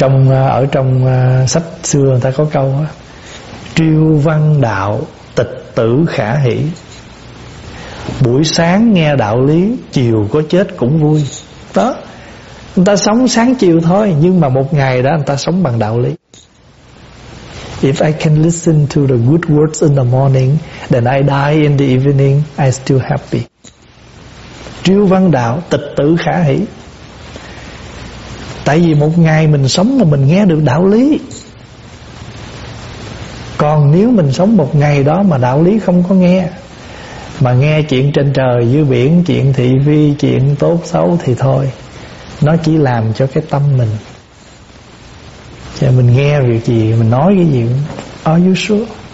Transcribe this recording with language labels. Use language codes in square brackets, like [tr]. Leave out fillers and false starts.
[vi] Ở trong sách xưa người ta có câu đó, triêu văn đạo tịch tử khả hỷ. Buổi sáng nghe đạo lý, chiều có chết cũng vui. Đó, người ta sống sáng chiều thôi, nhưng mà một ngày đó người ta sống bằng đạo lý. [en] If I can listen to the good words in the morning, then I die in the evening, I still happy. [vi] Triêu văn đạo tịch tử khả hỷ. Tại vì một ngày mình sống mà mình nghe được đạo lý. Còn nếu mình sống một ngày đó mà đạo lý không có nghe, mà nghe chuyện trên trời dưới biển, chuyện thị phi, chuyện tốt xấu thì thôi, nó chỉ làm cho cái tâm mình, cho mình nghe việc gì, mình nói cái gì, [en] are you sure?